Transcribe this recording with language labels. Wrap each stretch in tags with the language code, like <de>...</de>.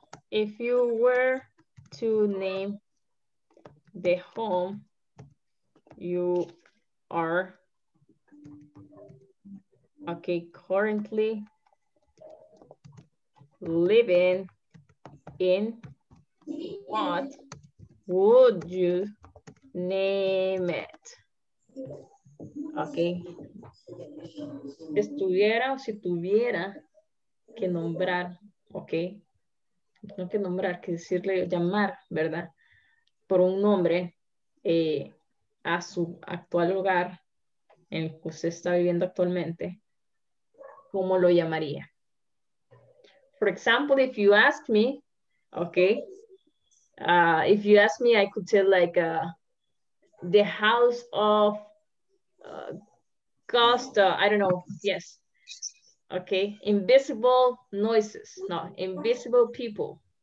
<en>If you were to name the home you are okay currently living in, what would you name it? Okay.</en> <es>Estuviera o si tuviera que nombrar, ok, no que nombrar, que decirle, llamar, ¿verdad? Por un nombre a su actual lugar en el que usted está viviendo actualmente, ¿cómo lo llamaría?</es> <en>For example, if you ask me, ok, if you ask me, I could say like the house of Costa, I don't know, yes. Okay, invisible noises, no, invisible people.</en>